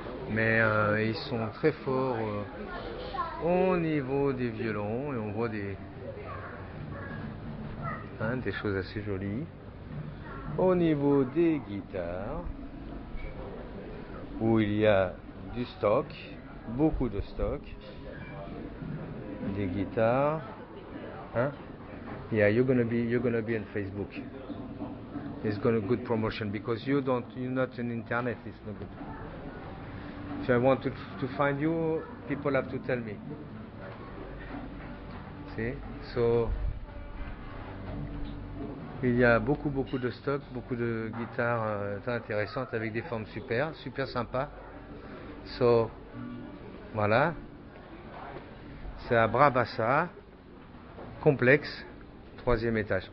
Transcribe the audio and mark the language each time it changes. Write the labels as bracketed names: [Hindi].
[French] Mais ils sont très forts au niveau des violons et on voit des choses assez jolies. Au niveau des guitares, où il y a du stock, beaucoup de stock, des guitares. Hein? [English] Yeah, you're gonna be on Facebook. It's gonna good promotion because you're not on Internet. It's not good. If I want to find you, people have to tell me. See? [French] So, il y a beaucoup, beaucoup de stocks, beaucoup de guitares intéressantes avec des formes super, super sympas. So, voilà. C'est à Brabassa, complexe, troisième étage.